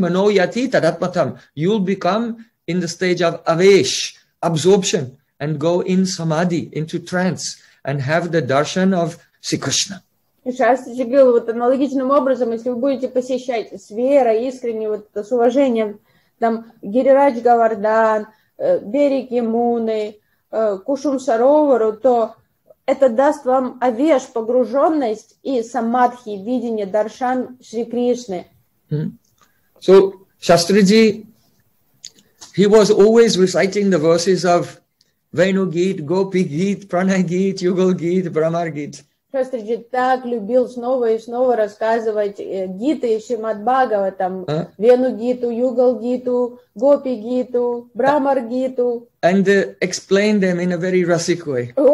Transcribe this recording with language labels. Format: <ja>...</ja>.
<sa>Mano yati tadatmatam.</sa> <en>You'll become in the stage of avesh, absorption, and go in samadhi, into trance, and have the darshan of Sri Krishna.</en> <ru>И Шастриджи говорил, вот аналогичным образом, если вы будете посещать с верой, искренне, вот с уважением, там Гирирадж Гавардан, берег Ямуны, Кушум Саровару, то это даст вам авеш, погруженность и самадхи, видение, даршан Шри Кришны.</ru> <en>So, Shastriji, he was always reciting the verses of Venu Гит, Гопи Гит, Прана Гит, Югал Гит, Брамар Гит.</en> <ru>Шастриджи так любил снова и снова рассказывать гиты и Шримад Бхагаватам, Вену Гиту, Югал Гиту, Гопи Гиту, Брамар Гиту.</ru> <en>And explain them in a very rasic way.</en>